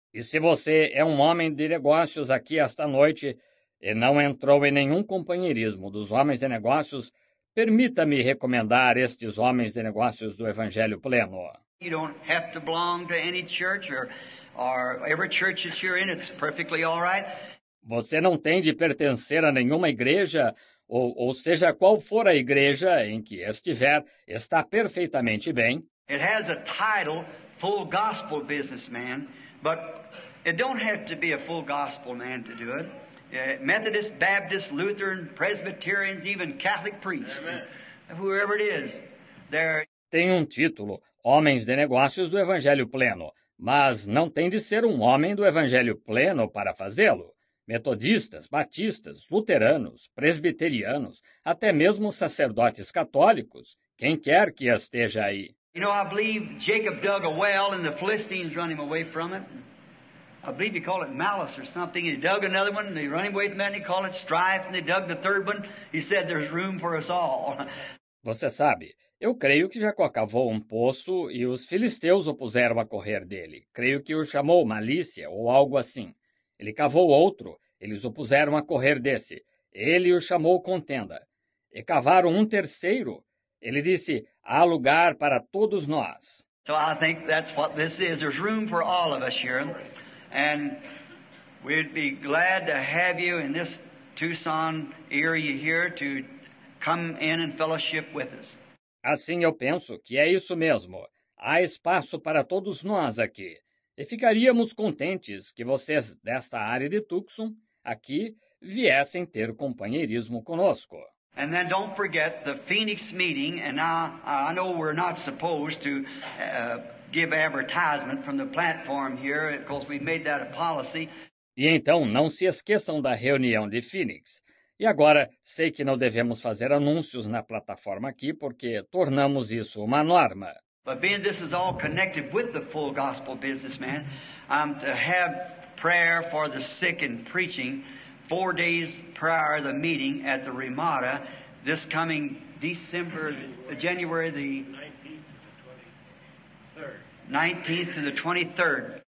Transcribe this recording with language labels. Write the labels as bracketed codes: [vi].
[pt] E se você é um homem de negócios aqui esta noite e não entrou em nenhum companheirismo dos homens de negócios, permita-me recomendar estes homens de negócios do Evangelho Pleno. [en] You don't have to belong to any church or every church that you're in. It's perfectly all right. [pt] Você não tem de pertencer a nenhuma igreja, ou seja, qual for a igreja em que estiver, está perfeitamente bem. [en] It has a title, full gospel businessman, but it don't have to be a full gospel man to do it. Methodist, Baptist, Lutheran, Presbyterians, even Catholic priests, whoever it is. [pt] Tem um título, Homens de Negócios do Evangelho Pleno, mas não tem de ser um homem do Evangelho Pleno para fazê-lo. Metodistas, batistas, luteranos, presbiterianos, até mesmo sacerdotes católicos, quem quer que esteja aí. [en] You know, I believe Jacob dug a well and the Philistines run him away from it. I believe he called it malice or something. He dug another one and they run him away from it and he called it strife and they dug the third one. He said there's room for us all. [pt] Você sabe, eu creio que Jacó cavou um poço e os filisteus o puseram a correr dele. Creio que o chamou malícia ou algo assim. Ele cavou outro, eles o puseram a correr desse. Ele o chamou contenda. E cavaram um terceiro. Ele disse, há lugar para todos nós. [en] So I think that's what this is. There's room for all of us here. And we'd be glad to have you in this Tucson area here to come in and fellowship with us. [pt] Assim eu penso que é isso mesmo. Há espaço para todos nós aqui. E ficaríamos contentes que vocês desta área de Tucson, aqui, viessem ter companheirismo conosco. [en] And then don't forget the Phoenix meeting, and I know we're not supposed to give advertisement from the platform here, because we've made that a policy. [pt] E então, não se esqueçam da reunião de Phoenix. E agora, sei que não devemos fazer anúncios na plataforma aqui, porque tornamos isso uma norma. [en] But being this is all connected with the full gospel business, man, I'm to have prayer for the sick and preaching 4 days prior to the meeting at the Ramada this coming January the 19th to the 23rd.